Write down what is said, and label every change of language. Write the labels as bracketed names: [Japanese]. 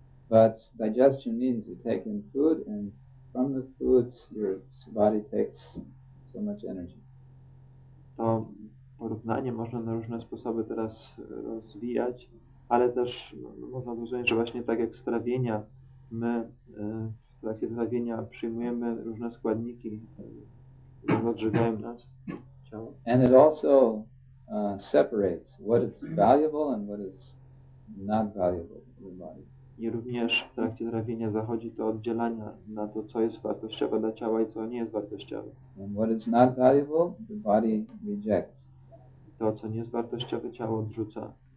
[English] But digestion means you take in food, and from the food your body takes so much energy. [Polish] To porównanie można na różne sposoby teraz rozwijać, ale też można zrozumieć, że właśnie tak jak z trawienia, my w trakcie trawienia przyjmujemy różne składniki, które odżywiają nas ciało. [English] And it also separates what is valuable and what is not valuable in the body. [Polish] I również w trakcie trawienia zachodzi to oddzielanie na to, co jest wartościowe dla ciała i co nie jest wartościowe. [English] And what is not valuable, the body rejects. [Polish] To, co nie jest wartościowe, ciało odrzuca.